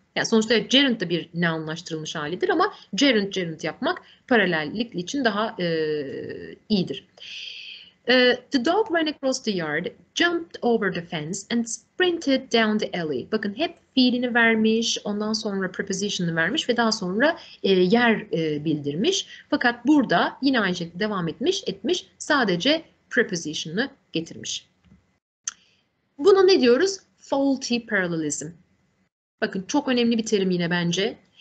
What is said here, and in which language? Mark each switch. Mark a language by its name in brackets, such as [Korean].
[Turkish] Yani sonuçta gerund da bir nounlaştırılmış halidir ama gerund yapmak paralellik için daha iyidir. [English] The dog ran across the yard, jumped over the fence and sprinted down the alley. [Turkish] Bakın hep fiilini vermiş, ondan sonra preposition'ını vermiş ve daha sonra yer bildirmiş. Fakat burada yine aynı şekilde devam etmiş, sadece preposition'ını getirmiş. Buna ne diyoruz? Faulty parallelism. Bakın çok önemli bir terim yine bence.